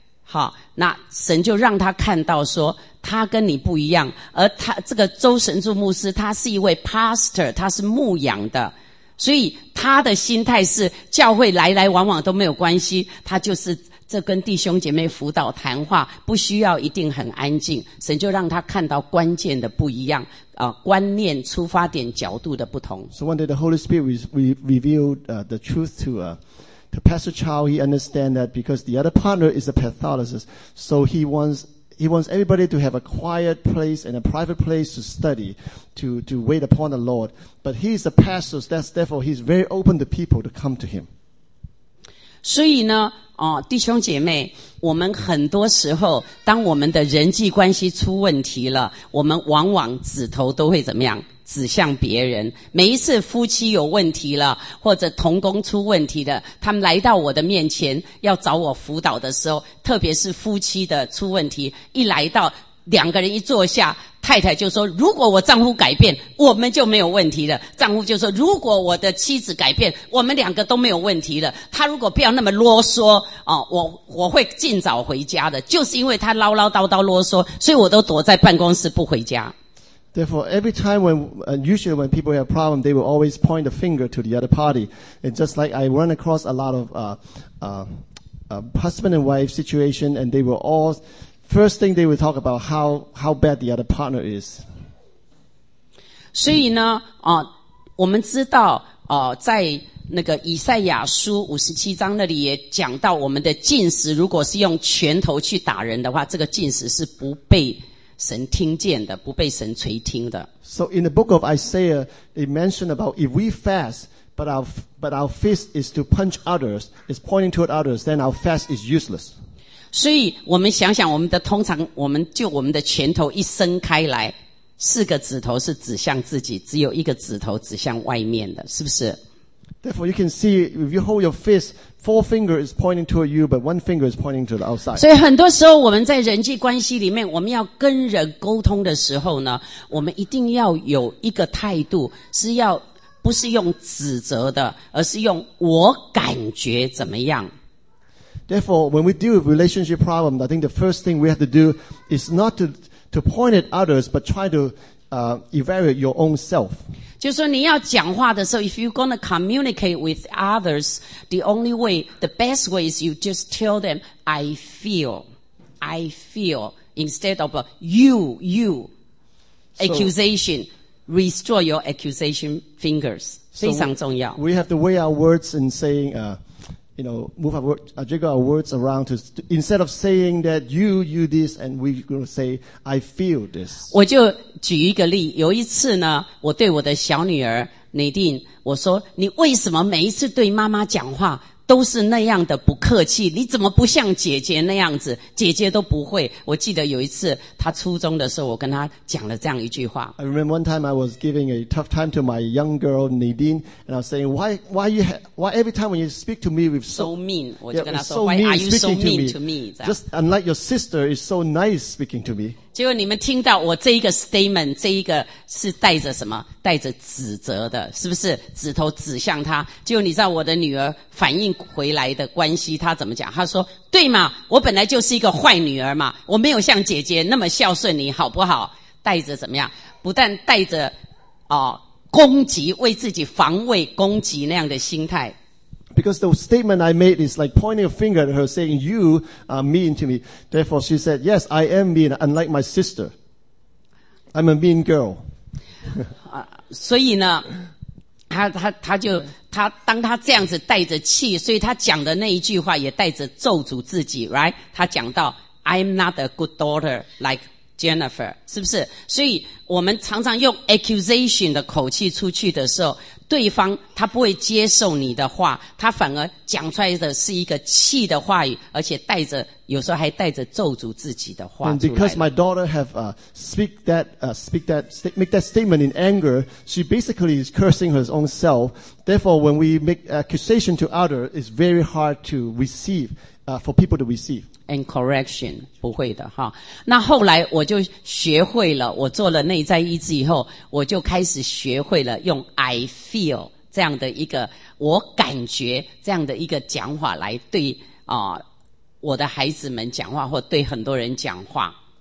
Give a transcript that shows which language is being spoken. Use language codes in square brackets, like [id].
[zh] 好，那神就让他看到说，他跟你不一样，而他这个周神柱牧师，他是一位 pastor， 他是牧养的。所以他的心态是教会来来往往都没有关系，他就是这跟弟兄姐妹辅导谈话，不需要一定很安静，神就让他看到关键的不一样，观念出发点角度的不同。 [en] So one day the Holy Spirit revealed the truth to Pastor Chow. He understand that because the other partner is a pathologist, so he wants everybody to have a quiet place and a private place to study, to wait upon the Lord. But he's a pastor, so that's therefore he's very open to people to come to him. [zh] 所以呢，弟兄姐妹，我们很多时候，当我们的人际关系出问题了，我们往往指头都会怎么样？指向别人。每一次夫妻有问题了，或者同工出问题了，他们来到我的面前要找我辅导的时候，特别是夫妻的出问题，一来到两个人一坐下，太太就说，如果我丈夫改变，我们就没有问题了。丈夫就说，如果我的妻子改变，我们两个都没有问题了。他如果不要那么啰嗦，我会尽早回家的。就是因为他唠唠叨叨啰嗦，所以我都躲在办公室不回家。 [en] Therefore, every time usually when people have problem, they will always point the finger to the other party. And just like I run across a lot of, husband and wife situation, and they will all, first thing they will talk about how bad the other partner is. [zh] 所以呢，我们知道，在那个以赛亚书五十七章那里也讲到，我们的禁食如果是用拳头去打人的话，这个禁食是不被神听见的，不被神垂听的。 [en] So in the book of Isaiah, it mentioned about if we fast, but our fist is to punch others, is pointing toward others, then our fast is useless. [zh] 所以我们想想，我们的通常我们就我们的拳头一伸开来，四个指头是指向自己，只有一个指头指向外面的，是不是？ [en] Therefore, you can see if you hold your fist, four fingers is pointing toward you, but one finger is pointing to the outside. [zh] 所以很多时候我们在人际关系里面，我们要跟人沟通的时候呢，我们一定要有一个态度，是要不是用指责的，而是用我感觉怎么样。 [en] Therefore, when we deal with relationship problems, I think the first thing we have to do is not to point at others, but try to evaluate your own self. [zh] 就是说你要讲话的时候 [en] if you're going to communicate with others, the only way, the best way is you just tell them, I feel, instead of you, accusation, so, restore your accusation fingers. [zh] 非常重要。 [en] We have to weigh our words and saying, you know, move our words, jiggle our words around to, instead of saying that you this, and we're going to say, I feel this. [zh] 我就举一个例，有一次呢，我对我的小女儿Nadine，我说，你为什么每一次对妈妈讲话都是那样的不客气，你怎么不像姐姐那样子，姐姐都不会。我记得有一次她初中的时候，我跟她讲了这样一句话。 [en] I remember one time I was giving a tough time to my young girl Nadine, and I was saying, why every time when you speak to me with so mean, [zh] 我就跟她说 [en] why are you so mean to me, just unlike your sister is so nice speaking to me. [zh] 结果你们听到我这一个 statement, 这一个是带着什么，带着指责的，是不是指头指向她。结果你知道我的女儿反应回来的关系他怎么讲，他说对嘛，我本来就是一个坏女儿嘛，我没有像姐姐那么孝顺你好不好，带着怎么样，不但带着攻击，为自己防卫攻击那样的心态。 [en] Because the statement I made is like pointing a finger at her saying you are mean to me, therefore she said yes I am mean unlike my sister, I'm a mean girl. [zh] 所以呢他当他这样子带着气，所以他讲的那一句话也带着咒诅自己 ，right？他讲到 [en] "I'm not a good daughter like Jennifer"， [zh] 是不是？所以我们常常用 accusation 的口气出去的时候，对方他不会接受你的话，他反而讲出来的是一个气的话语，而且带着有时候还带着咒诅自己的话出来。 [en] And because my daughter have make that statement in anger, she basically is cursing her own self. Therefore, when we make accusation to others, it's very hard to receive, for people to receive. And correction, [zh] 不会的哈。那后来我就学会了，我做了内在医治以后，我就开始学会了用 [en] I feel [zh] 这样的一个我感觉这样的一个讲话来对我的孩子们讲话，或对很多人讲话。